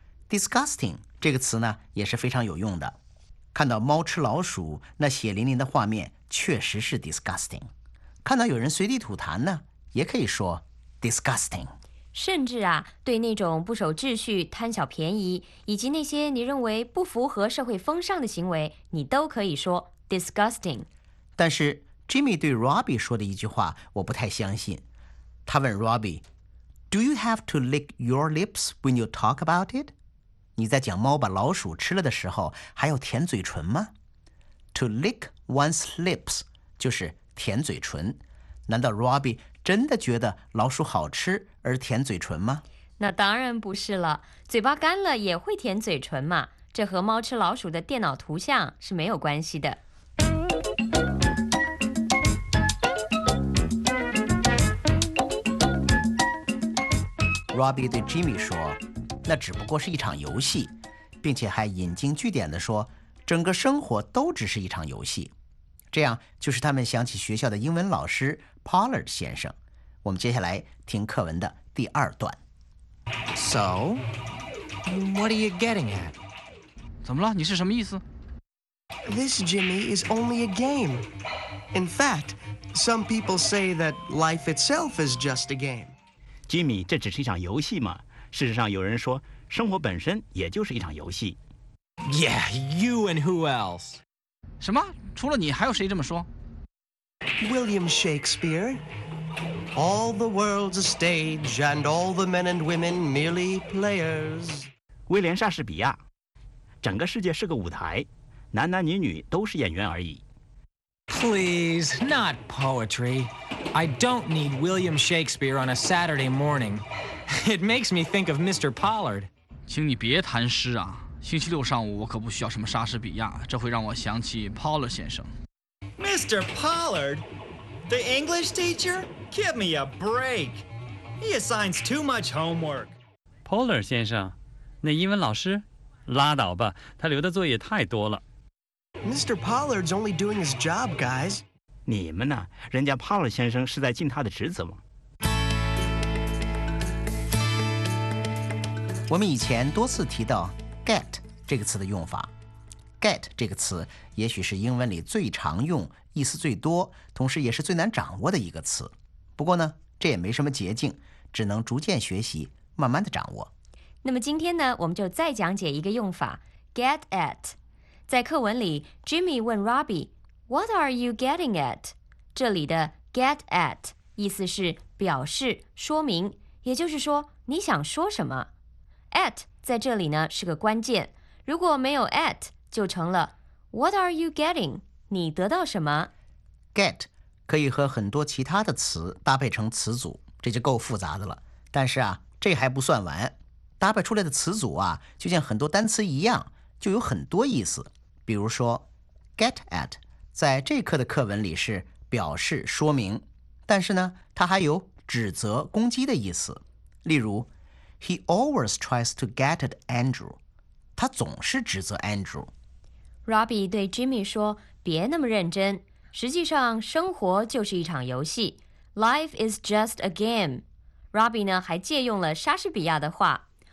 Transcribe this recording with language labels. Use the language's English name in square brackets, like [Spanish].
[Chinese] Disgusting 这个词呢也是非常有用的。看到猫吃老鼠那血淋淋的画面确实是 disgusting。看到有人随地吐痰呢也可以说 disgusting。甚至啊，对那种不守秩序、贪小便宜，以及那些你认为不符合社会风尚的行为，你都可以说 disgusting。但是 Jimmy 对 Robbie 说的一句话，我不太相信。他问 [English] Robbie， Do you have to lick your lips when you talk about it？ [Chinese] 你在讲猫把老鼠吃了的时候，还要舔嘴唇吗？ [English] To lick one's lips [Chinese] 就是舔嘴唇。难道 Robbie 真的觉得老鼠好吃而舔嘴唇吗？那当然不是了，嘴巴干了也会舔嘴唇嘛，这和猫吃老鼠的电脑图像是没有关系的。 Robbie 对 Jimmy 说，那只不过是一场游戏，并且还引经据典地说，整个生活都只是一场游戏。这样就是他们想起学校的英文老师 Pollard 先生。我们接下来听课文的第二段。 [English] So what are you getting at? [Chinese] 怎么了？你是什么意思？ [English] This Jimmy is only a game. In fact, some people say that life itself is just a game. [Chinese] Jimmy， 这只是一场游戏吗？事实上有人说生活本身也就是一场游戏。 [English] Yeah, you and who else? [Chinese] 什么？除了你还有谁这么说？ [English] William Shakespeare. All the world's a stage and all the men and women merely players. [Chinese] 威廉莎士比亚，整个世界是个舞台，男男女女都是演员而已。 [English] Please, not poetry. I don't need William Shakespeare on a Saturday morning. It makes me think of Mr. Pollard. [Chinese] 请你别谈诗啊，星期六上午我可不需要什么莎士比亚，这会让我想起 Pollard 先生。 [English] Mr. Pollard? The English teacher? Give me a break. He assigns too much homework. [Chinese] Pollard 先生，那英文老师？拉倒吧，他留的作业太多了。 [English] Mr. Pollard's only doing his job, guys. [Chinese] 你们呢？人家 Pollard 先生是在尽他的职责吗？我们以前多次提到get 这个词的用法。 get 这个词也许是英文里最常用、意思最多、同时也是最难掌握的一个词。不过呢，这也没什么捷径，只能逐渐学习，慢慢的掌握。那么今天呢，我们就再讲解一个用法 get at。在课文里 [English] Jimmy [Chinese] 问 [English] Robbie What are you getting at? [Chinese] 这里的 get at 意思是表示、说明，也就是说你想说什么。 at在这里呢是个关键，如果没有 at 就成了 [English] What are you getting? [Chinese] 你得到什么？ Get 可以和很多其他的词搭配成词组，这就够复杂的了。但是啊，这还不算完，搭配出来的词组啊，就像很多单词一样，就有很多意思。比如说 get at 在这课的课文里是表示、说明，但是呢它还有指责、攻击的意思。例如 [English] He always tries to get at Andrew. [Chinese] 他总是指责 Andrew. Robbie 对 Jimmy 说，别那么认真。实际上，生活就是一场游戏。 [English] Life is just a game. [Chinese] Robbie 呢，还借用了莎士比亚的话。